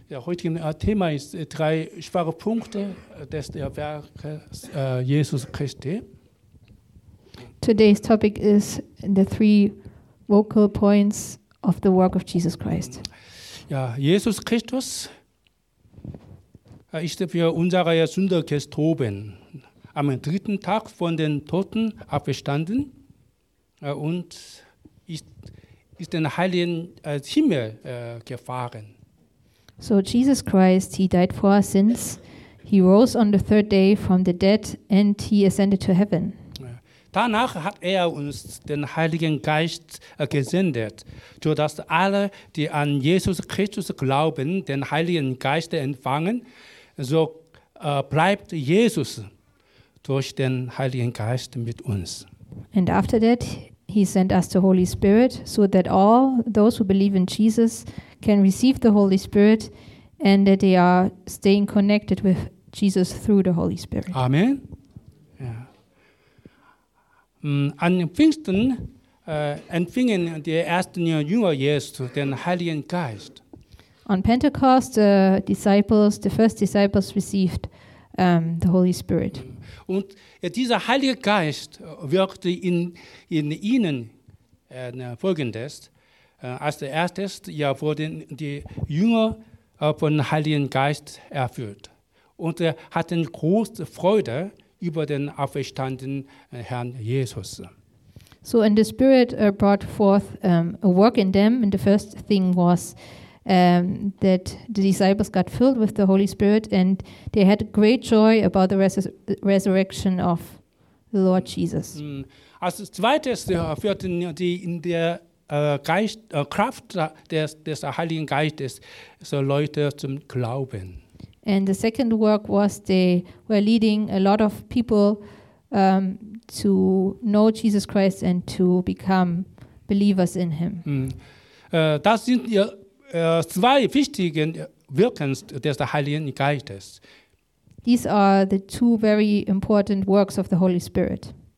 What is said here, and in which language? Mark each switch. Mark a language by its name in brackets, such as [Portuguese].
[German] Der heutige Thema ist drei schwache Punkte des der Werke Jesus Christi. [English] Today's topic is the three vocal points of the work of Jesus Christ. [German] Ja, Jesus Christus ist für unsere Sünde gestorben, am dritten Tag von den Toten aufgestanden und ist den heiligen Himmel gefahren. [English] So Jesus Christ, he died for our sins. He rose on the third day from the dead and he ascended to heaven. [German] Danach hat uns den Heiligen Geist gesendet, sodass alle, die an Jesus Christus glauben, den Heiligen Geist empfangen. So bleibt Jesus durch den Heiligen Geist mit uns. [English] And after that, he sent us the Holy Spirit, so that all those who believe in Jesus can receive the Holy Spirit and that they are staying connected with Jesus through the Holy Spirit. Amen. [German] An Pfingsten empfingen die ersten Jünger Jesu den Heiligen Geist. [English] On Pentecost, the first disciples received the Holy Spirit. [German] Und dieser Heilige Geist wirkte in ihnen folgendes. Als erstes wurden die Jünger von Heiligen Geist erfüllt und hatten große Freude über den auferstandenen Herrn Jesus. [English] So, and the Spirit brought forth a work in them. And the first thing was that the disciples got filled with the Holy Spirit and they had great joy about the resurrection of the Lord Jesus. [German] Als zweites führten die in der Kraft des Heiligen Geistes so Leute zum Glauben. [English] And the second work was they were leading a lot of people to know Jesus Christ and to become believers in him. [German] Das sind zwei wichtige Wirken des Heiligen Geistes. [English] These are the two very important works of the Holy Spirit.